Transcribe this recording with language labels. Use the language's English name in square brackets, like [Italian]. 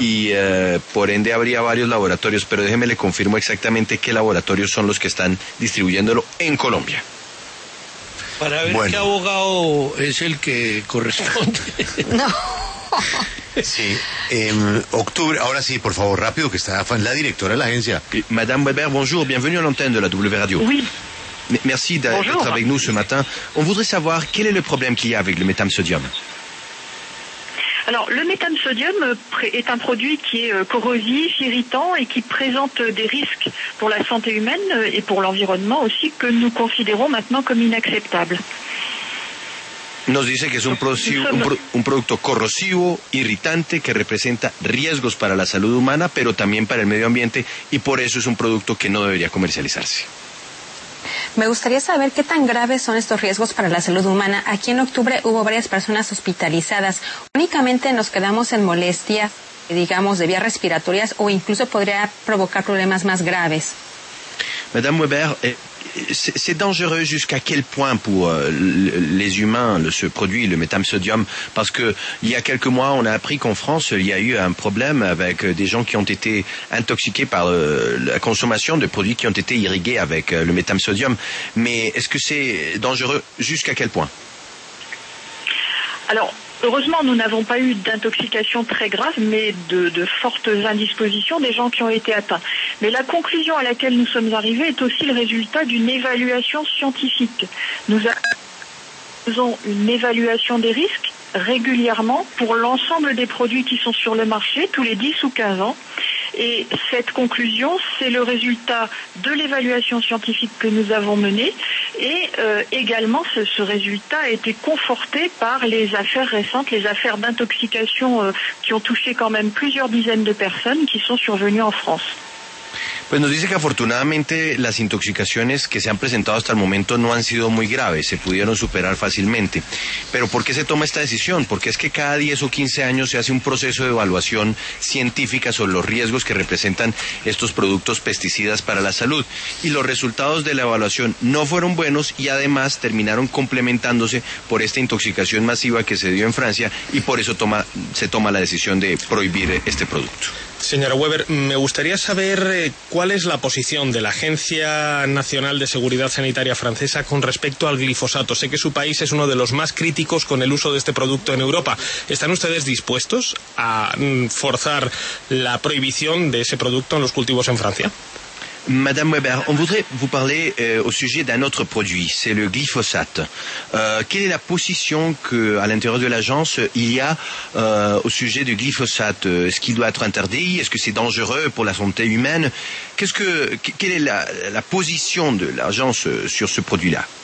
[Spanish] Y por ende habría varios laboratorios, pero déjeme le confirmo exactamente qué laboratorios son los que están distribuyéndolo en Colombia. Para ver bueno. Qué abogado es el que corresponde. No. Sí, en octubre, ahora sí, por favor, rápido, que está la directora de la agencia. [French] Madame Weber, bonjour, bienvenue à l'antenne de la W Radio. Oui. Merci d'être avec nous ce matin. On voudrait savoir quel est le problème qu'il y a avec le métham-sodium. Alors, le métham-sodium est un produit qui est corrosif, irritant et qui présente des risques pour la santé humaine et pour l'environnement aussi que nous considérons maintenant comme inacceptables. [Spanish] Nos dice que es un producto corrosivo, irritante, que representa riesgos para la salud humana, pero también para el medio ambiente, y por eso es un producto que no debería comercializarse. Me gustaría saber qué tan graves son estos riesgos para la salud humana. Aquí en octubre hubo varias personas hospitalizadas. Únicamente nos quedamos en molestia, digamos, de vías respiratorias, o incluso podría provocar problemas más graves. [French] Madame Weber... C'est dangereux jusqu'à quel point pour les humains ce produit, le métham-sodium, parce que il y a quelques mois, on a appris qu'en France, il y a eu un problème avec des gens qui ont été intoxiqués par la consommation de produits qui ont été irrigués avec le métham-sodium. Mais est-ce que c'est dangereux jusqu'à quel point? Alors, heureusement, nous n'avons pas eu d'intoxication très grave, mais de fortes indispositions des gens qui ont été atteints. Mais la conclusion à laquelle nous sommes arrivés est aussi le résultat d'une évaluation scientifique. Nous faisons une évaluation des risques régulièrement pour l'ensemble des produits qui sont sur le marché tous les 10 ou 15 ans. Et cette conclusion, c'est le résultat de l'évaluation scientifique que nous avons menée. Et également, ce résultat a été conforté par les affaires récentes, les affaires d'intoxication qui ont touché quand même plusieurs dizaines de personnes qui sont survenues en France. [Spanish] Pues nos dice que afortunadamente las intoxicaciones que se han presentado hasta el momento no han sido muy graves, se pudieron superar fácilmente. Pero ¿por qué se toma esta decisión? Porque es que cada 10 o 15 años se hace un proceso de evaluación científica sobre los riesgos que representan estos productos pesticidas para la salud. Y los resultados de la evaluación no fueron buenos y además terminaron complementándose por esta intoxicación masiva que se dio en Francia y por eso se toma la decisión de prohibir este producto. Señora Weber, me gustaría saber cuál es la posición de la Agencia Nacional de Seguridad Sanitaria francesa con respecto al glifosato. Sé que su país es uno de los más críticos con el uso de este producto en Europa. ¿Están ustedes dispuestos a forzar la prohibición de ese producto en los cultivos en Francia? [French] Madame Weber, on voudrait vous parler au sujet d'un autre produit, c'est le glyphosate. Quelle est la position qu'à l'intérieur de l'agence, il y a au sujet du glyphosate? Est-ce qu'il doit être interdit? Est-ce que c'est dangereux pour la santé humaine? Quelle est la position de l'agence sur ce produit-là?